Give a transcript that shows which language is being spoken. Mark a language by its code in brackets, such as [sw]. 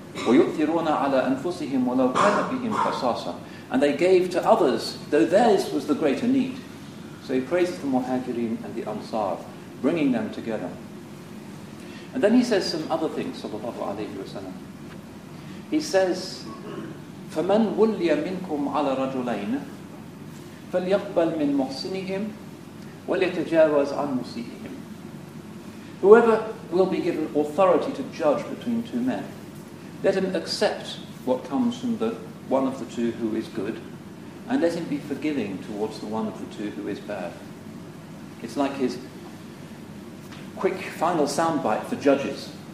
[ar] وَيُؤْثِرُونَ عَلَىٰ أَنفُسِهِمْ وَلَوْ كَانَ بِهِمْ خَصَاصَةً. [en] And they gave to others, though theirs was the greater need. So he praises the Muhajirin and the Ansar, bringing them together. And then he says some other things, sallallahu alayhi wa sallam. He says, [ar] فَمَنْ وُلِّيَ مِنْكُمْ عَلَىٰ رَجُلَيْنَ فَلْيَقْبَلْ مِنْ مُحْسِنِهِمْ وَلْيَتَجَاوَزْ عَنْ مُسِيئِهِمْ. [en] Whoever will be given authority to judge between two men, let him accept what comes from the one of the two who is good, and let him be forgiving towards the one of the two who is bad. It's like his quick final soundbite for judges.